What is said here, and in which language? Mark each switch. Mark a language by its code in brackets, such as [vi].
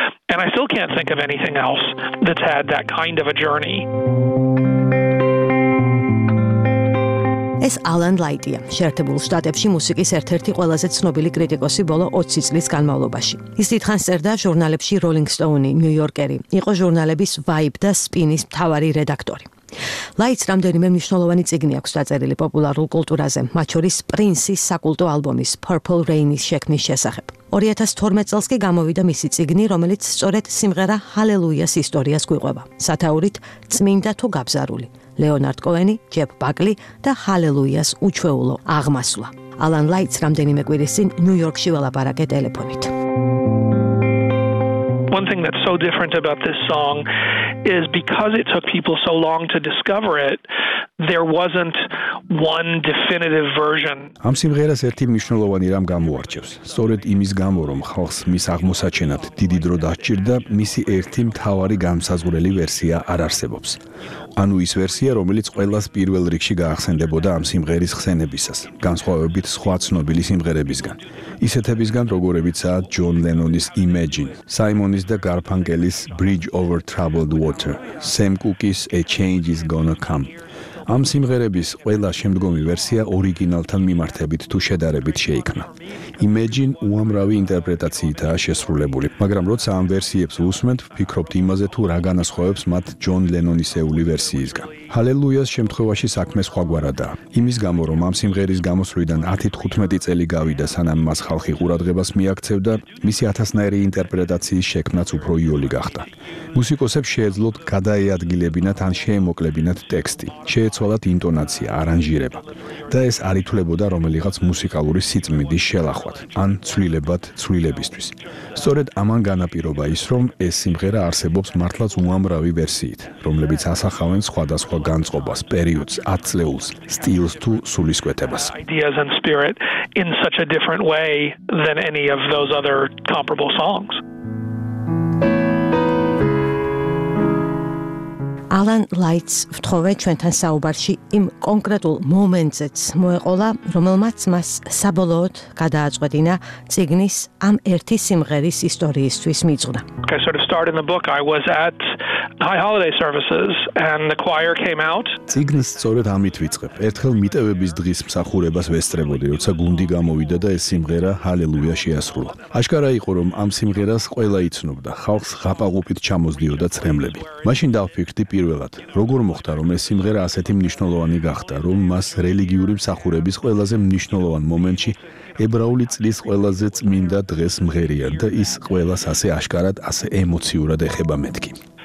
[en] And I still can't think of anything else that's had that kind of a journey. [ka] ეს ალან ლაიტია, შეერთებულ შტატებში მუსიკის ერთ-ერთი ყველაზე ცნობილი კრიტიკოსი ბოლო 20 წლის განმავლობაში. ის დიდხანს წერდა ჟურნალებში Rolling Stone, New Yorker-ი, იყო ჟურნალების Vibe და Spin-ის მთავარი რედაქტორი. ლაიტს რამდენიმე მნიშვნელოვანი წიგნი აქვს დაწერილი პოპულარულ კულტურაზე, მათ შორის პრინსის საკულტო ალბომის Purple Rain-ის შექმნის შესახებ. 2012 წელს კი გამოვიდა მისი წიგნი, რომელიც სწორედ სიმღერა Hallelujah-ის ისტორიას გვიყვება. სათაურით წმინდა თუ გაბზარული. ლეონარდ კოენი, ჯეფ ბაკლი და Hallelujah-ის უჩვეულო აღმასვლა. ალან ლაიტს რამდენიმე კვირის წინ ნიუ-იორკში ველაპარაკე ტელეფონით. [en] One thing that's so different about this song is because it took people so long to discover it, there wasn't one definitive version. [ka] ამ სიმღერას ერთი მნიშვნელოვანი რამ გამოარჩევს. სწორედ იმის გამო, რომ ხალხს მის აღმოსაჩენად დიდი დრო დასჭირდა, მისი ერთი მთავარი განსაზღვრელი ვერსია არ არსებობს. ანუ ის ვერსია, რომელიც ყველას პირველ რიგში გაახსენდებოდა ამ სიმღერის ხსენებისას, განსხვავებით სხვა ცნობილი სიმღერებისგან. ისეთებისგან, როგორებიცაა ჯონ ლენონის Imagine, საიმონის და გარფანკელის Bridge Over Troubled Water, სემ კუკის A Change Is Gonna Come. ამ სიმღერების ყველა შემდგომი ვერსია ორიგინალთან მიმართებით თუ შედარებით შეიქმნა. Imagine უამრავი ინტერპრეტაციითაა შესრულებული, მაგრამ როცა ამ ვერსიებს უსმენთ, ფიქრობთ იმაზე, თუ რა განასხვავებს მათ ჯონ ლენონისეული ვერსიისგან. Hallelujah-ის შემთხვევაში საქმე სხვაგვარადაა. იმის გამო, რომ ამ სიმღერის გამოსვლიდან 10-15 წელი გავიდა, სანამ მას ხალხი ყურადღებას მიაქცევდა, მისი ათასნაირი ინტერპრეტაციის შექმნაც უფრო იოლი გახდა. მუსიკოსებს შეეძლოთ გადაეადგილებინათ ან შეემოკლებინათ ტექსტი, შეეცვალათ ინტონაცია, არანჟირება და ეს არ ითვლებოდა რომელიღაც მუსიკალური სიწმინდის შელახვად ან ცვლილებად ცვლილებისთვის. სწორედ ამან განაპირობა ის, რომ ეს სიმღერა არსებობს მართლაც უამრავი ვერსიით, რომლებიც ასახავენ სხვადასხვა განწყობას, პერიოდს, ათწლეულს, სტილს თუ სულისკვეთებას. [en] Ideas and spirit in such a different way than any of those other comparable songs. [ka] Alan Lights ვთხოვე ჩვენთან საუბარში იმ კონკრეტულ მომენტზეც მოეყოლა, რომელმაც მას საბოლოოდ გადააწყვეტინა წიგნის ამ ერთი სიმღერის ისტორიისთვის მიძღვნა. [en] I sort of started in the book I was at high holiday services and the choir came out. [ka] წიგნს სწორედ ამით ვიწყებ. ერთხელ მიტევების დღის მსახურებას ვესწრებოდი, როცა გუნდი გამოვიდა და ეს სიმღერა Hallelujah შეასრულა. აშკარა იყო, რომ ამ სიმღერას ყველა იცნობდა, ხალხს ღაპაღუპით ჩამოზდიოდა ცრემლები. მაშინ დავფიქრდი პირველად, როგორ მოხდა, რომ ეს სიმღერა ასეთი მნიშვნელოვანი გახდა, რომ მას რელიგიური მსახურების ყველაზე მნიშვნელოვან მომენტში ებრაული წლის ყველაზე წმინდა დღეს მღერია და ის ყველას ასე აშკარად, ასე ემოციურად ეხება მეთქი.